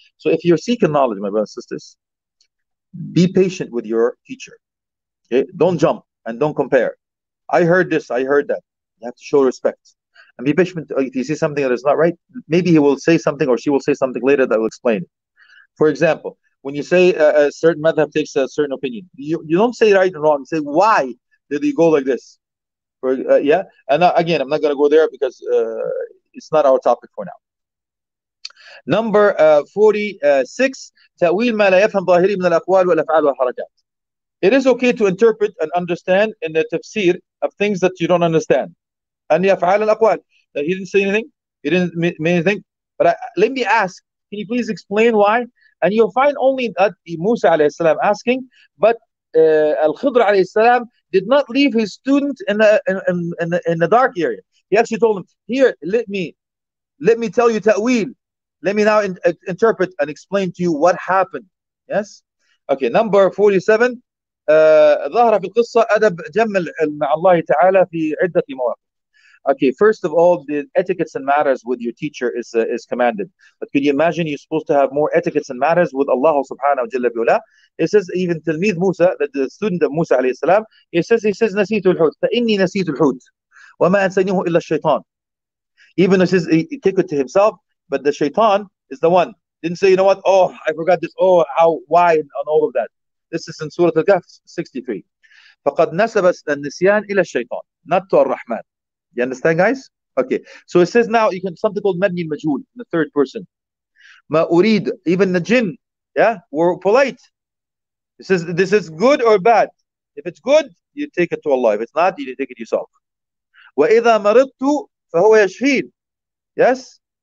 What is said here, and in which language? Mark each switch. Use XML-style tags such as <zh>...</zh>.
<en>So if you're seeking knowledge, my brothers and sisters, be patient with your teacher. Okay? Don't jump and don't compare. I heard this, I heard that. You have to show respect. And be patient. If you see something that is not right, maybe he will say something or she will say something later that will explain it. For example, when you say a certain madhab takes a certain opinion, you don't say right and wrong. You say, why did he go like this? And again, I'm not going to go there because it's not our topic for now. Number 46,</en> <ar>تأويل ما لا يفهم ظاهري من الأقوال والأفعال والحركات.</ar> <en>It is okay to interpret and understand in the tafsir of things that you don't understand.</en> <ar>أن يفعل الأقوال.</ar> <en>He didn't say anything. He didn't mean anything. But let me ask. can you please explain why? And you'll find only that Musa alayhi salam asking, but Al-Khidr alayhi salam did not leave his student in the dark area. He actually told him, here, let me tell you ta'wil. Let me now interpret and explain to you what happened. Yes? Okay, number 47.</en> <ar>ظهر في القصة أدب جمل مع الله تعالى في عدة مواقف.</ar> <en>Okay, first of all, the etiquettes and manners with your teacher is commanded. But can you imagine you're supposed to have more etiquettes and manners with Allah subhanahu wa jalla biula? It says even Talmid Musa, the student of Musa alayhi salam, he says,</en> <ar>نسيت الحوت. فإني نسيت الحوت. وما أنسانيه إلا الشيطان.</ar> <en>Even he says, he took it to himself, but the shaitan is the one. Didn't say, you know what? Oh, I forgot this. Oh, how, why, and all of that. This is in Surah Al-Kahf 63.</en> <ar>فقد نسب النسيان إلى الشيطان,</ar> <en>not to Ar-Rahman. You understand, guys? Okay. So it says now, you can something called Mabni Majhul, in the third person. Ma urid, even the jinn, yeah, were polite. It says, this is good or bad? If it's good, you take it to Allah. If it's not, you take it yourself.</en> <ar>وَإِذَا مَرِضْتُ فَهُوَ يَشْفِيد. Yes?</ar>